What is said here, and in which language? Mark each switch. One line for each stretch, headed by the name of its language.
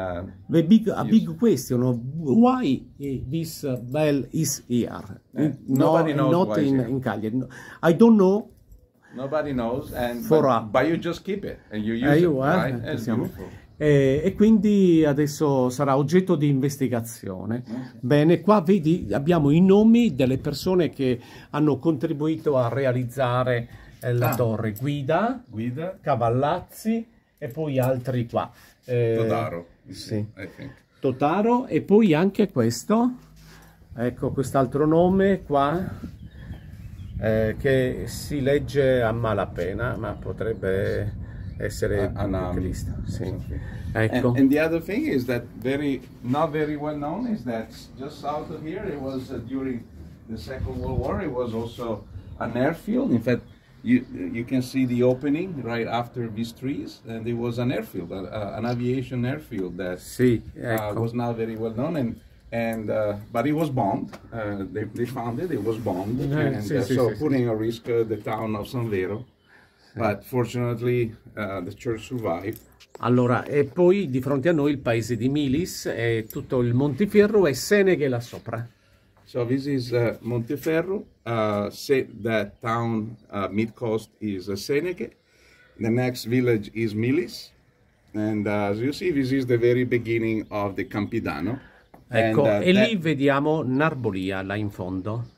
English: a big question of why this bell is here. Nobody knows. Not why in Cagliari. I don't know. Nobody knows, but you just keep it and you use it, right? It's beautiful.
Italian: E quindi adesso sarà oggetto di investigazione. Bene, qua vedi, abbiamo i nomi delle persone che hanno contribuito a realizzare la torre. Guida, Cavallazzi e poi altri qua. Totaro.
English: Sì, I think.
Italian: Totaro e poi anche questo. Ecco, quest'altro nome qua che si legge a malapena, ma potrebbe... essere un cristo, sì. Ecco.
English: And the other thing is that very not very well known is that just south of here it was during the Second World War it was also an airfield. In fact, you can see the opening right after these trees and it was an airfield, an aviation airfield that
Italian: sì, ecco.
English: Was not very well known but it was bombed. They found it. It was bombed, putting a risk the town of San Vero. But fortunately, the church survived.
Italian: Allora, e poi di fronte a noi il paese di Milis e tutto il Montiferru e Seneghe là sopra.
English: So this is Montiferru. Say that town mid coast is Seneghe. The next village is Milis. And as you see, this is the very beginning of the Campidano.
Italian: Ecco, and, lì vediamo Narbolia là in fondo.